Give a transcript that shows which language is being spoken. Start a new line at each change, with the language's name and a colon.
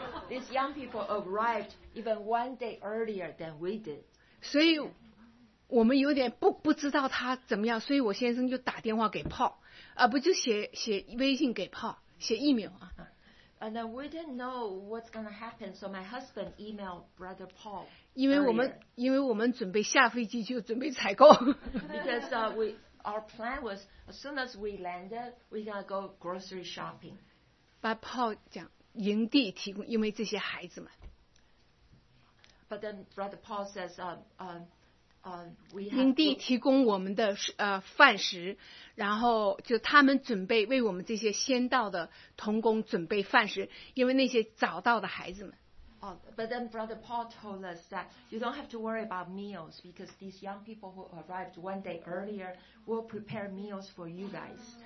English: These young people arrived even 1 day earlier than we did.
Chinese: 所以我们有点不知道他怎么样，所以我先生就打电话给Paul, 就写微信给Paul。写 email 啊
English: ，And then we didn't know what's gonna happen, so my husband emailed Brother Paul.
Chinese: 因为我们准备下飞机就准备采购。
English: Because we our plan was as soon as we landed, we're going to go grocery shopping.
Chinese: But Paul 讲营地提供，因为这些孩子们。
English: But then Brother Paul says, we have
Chinese: 营地提供我们的饭食，然后就他们准备为我们这些先到的童工准备饭食，因为那些早到的孩子们。
English: But then Brother Paul told us that you don't have to worry about meals because these young people who arrived one day earlier will prepare meals for you guys.